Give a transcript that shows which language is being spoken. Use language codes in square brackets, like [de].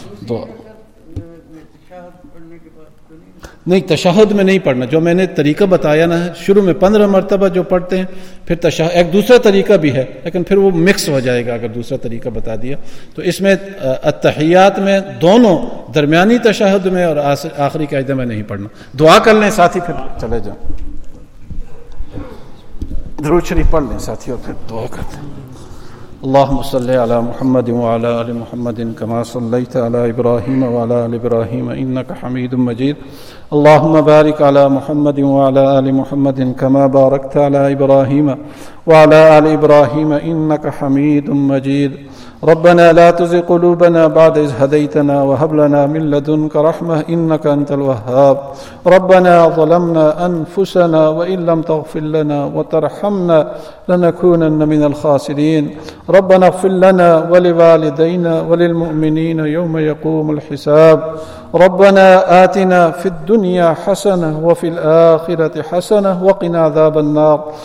[ur] دعا نہیں، تشہد میں نہیں پڑھنا، جو میں نے طریقہ بتایا نا، شروع میں 15 مرتبہ جو پڑھتے ہیں، پھر تشہد، ایک دوسرا طریقہ بھی ہے لیکن پھر وہ مکس ہو جائے گا اگر دوسرا طریقہ بتا دیا. تو اس میں التحیات میں دونوں، درمیانی تشہد میں اور آخری قاعدے میں نہیں پڑھنا. دعا کر لیں ساتھی، پھر چلے جاؤ، درود شریف پڑھ لیں ساتھی اور پھر دعا کر لیں. [ar] اللهم صل على محمد وعلى آل محمد كما صليت على إبراهيم وعلى آل إبراهيم إنك حميد مجيد. اللهم بارك على محمد وعلى آل محمد كما باركت على إبراهيم وعلى آل إبراهيم إنك حميد مجيد. ربنا لا تزغ قلوبنا بعد إذ هديتنا وهب لنا من لدنك رحمة إنك أنت الوهاب ربنا ظلمنا أنفسنا وإن لم تغفر لنا وترحمنا لنكونن من الخاسرين ربنا اغفر لنا ولوالدينا وللمؤمنين يوم يقوم الحساب ربنا آتنا في الدنيا حسنة وفي الآخرة حسنة وقنا عذاب النار